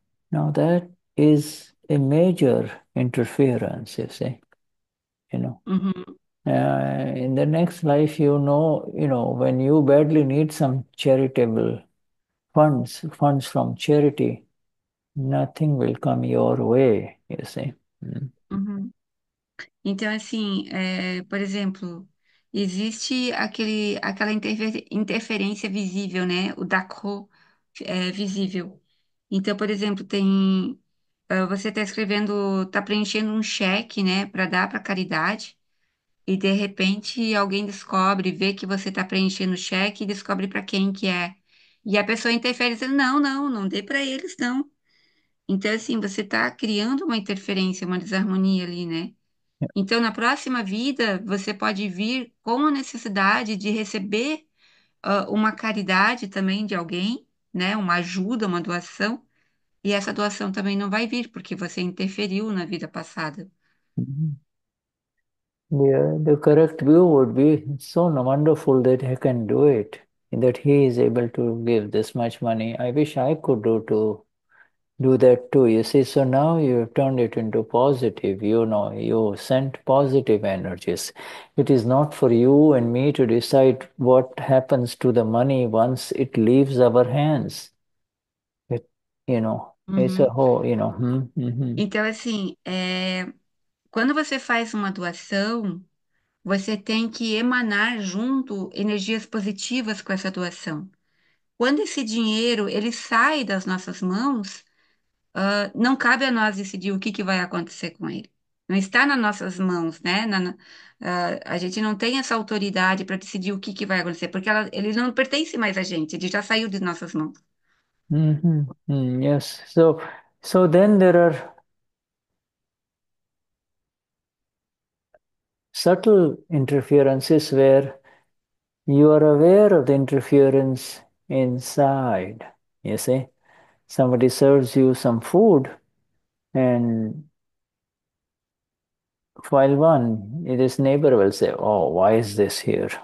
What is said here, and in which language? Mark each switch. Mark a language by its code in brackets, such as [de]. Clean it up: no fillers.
[en] Now that is a major interference, you see. In the next life, when you badly need some charitable funds from charity, nothing will come your way, you see. [pt] Então, assim, por exemplo, existe aquela interferência visível, né? O Dacro é visível. Então, por exemplo, tem você está escrevendo, está preenchendo um cheque, né, para dar para caridade. E de repente alguém descobre, vê que você está preenchendo o cheque e descobre para quem que é. E a pessoa interfere dizendo, não dê para eles, não. Então, assim, você está criando uma interferência, uma desarmonia ali, né? Então, na próxima vida, você pode vir com a necessidade de receber uma caridade também de alguém, né? Uma ajuda, uma doação. E essa doação também não vai vir, porque você interferiu na vida passada. [en] The correct view would be so wonderful that he can do it, that he is able to give this much money. I wish I could do too. Do that too. You see, so now you have turned it into positive. You know, you sent positive energies. It is not for you and me to decide what happens to the money once it leaves our hands. You know, it's a whole, you know. [pt] Então, assim, quando você faz uma doação, você tem que emanar junto energias positivas com essa doação. Quando esse dinheiro ele sai das nossas mãos, não cabe a nós decidir o que que vai acontecer com ele. Não está nas nossas mãos, né? A gente não tem essa autoridade para decidir o que que vai acontecer, porque ele não pertence mais a gente, ele já saiu de nossas mãos. [en] Yes. So then there are subtle interferences where you are aware of the interference inside. You see, somebody serves you some food, and while one, this neighbor will say, "Oh, why is this here?"